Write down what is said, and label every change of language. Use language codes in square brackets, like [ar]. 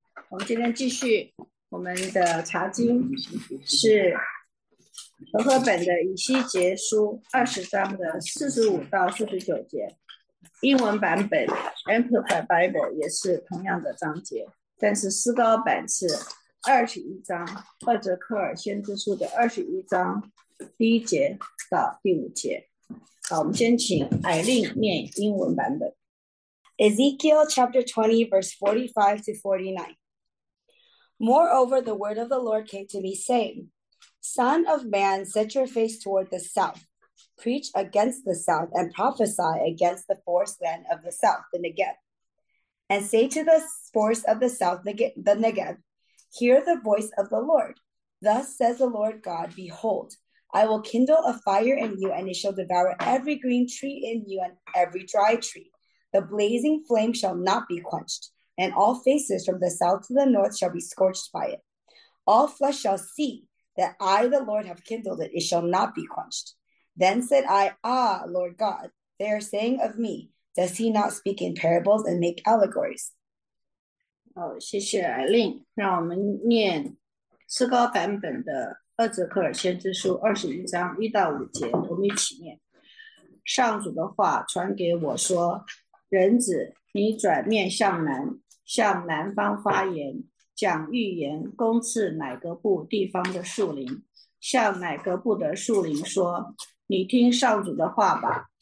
[zh] 我们今天继续我们的查经，是和合本的以西结书20章的45到49节，英文版本 Amplified Bible 也是同样的章节，但是思高版是21章，厄泽克尔先知书的21章。第一节到第五节，好，我们先请艾琳念英文版本。 [en] Ezekiel chapter 20, verse 45 to 49. Moreover, the word of the Lord came to me, saying, Son of man, set your face toward the south, preach against the south, and prophesy against the forest land of the south, the Negev. And say to the forest of the south, the Negev, hear the voice of the Lord. Thus says the Lord God, behold, I will kindle a fire in you, and it shall devour every green tree in you and every dry tree. The blazing flame shall not be quenched, and all faces from the south to the north shall be scorched by it. All flesh shall see that I, the Lord, have kindled it. It shall not be quenched. Then said I, Ah, Lord God, they are saying of me, Does he not speak in parables and make allegories? [zh] 哦，谢谢艾琳。让我们念诗高版本的《厄泽克尔先知书》21章1到5节，我们一起念。上主的话传给我说：“人子，你转面向南，向南方发言，讲预言，攻刺乃格布地方的树林，向乃格布的树林说：你听上主的话吧。